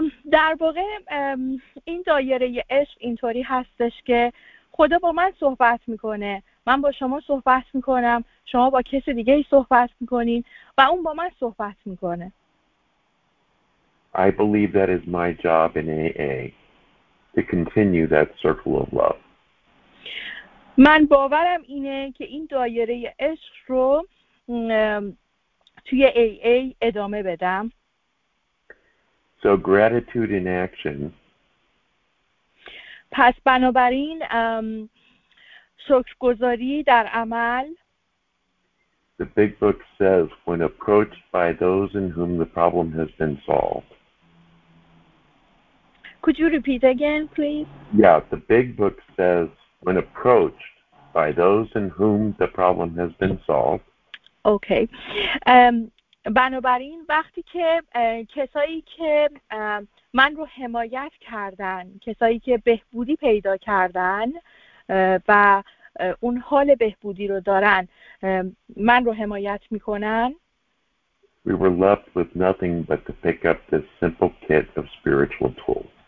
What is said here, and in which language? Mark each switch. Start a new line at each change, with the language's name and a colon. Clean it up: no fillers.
Persian: در واقع این دایره عشق اینطوری هستش که خدا با من صحبت میکنه. من با شما صحبت میکنم. شما با کسی دیگه صحبت میکنین و اون با من صحبت میکنه.
English: I believe that is my job in AA to continue that circle of love.
Persian: من باورم اینه که این دایره عشق رو توی AA ادامه بدم.
English: So gratitude in action.
Persian: پس بنابراین شکرگزاری در عمل.
English: The big book says when approached by those in whom the problem has been solved. Could you repeat again, please? Yeah, the big book says, when approached by those in whom the problem has been solved. Okay.
Persian: بنابراین وقتی که کسایی که من رو حمایت کردن، کسایی که بهبودی پیدا کردن و اون حال بهبودی رو دارن، من رو حمایت میکنن.
English: We were left with nothing but to pick up this simple kit of spiritual tools.